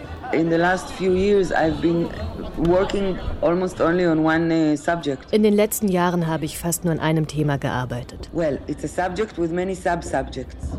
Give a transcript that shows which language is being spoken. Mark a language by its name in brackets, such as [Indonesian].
[English] In the last few years I've been working almost only on one subject. [German] In den letzten Jahren habe ich fast nur an einem Thema gearbeitet. [English] Well, it's a subject with many sub-subjects.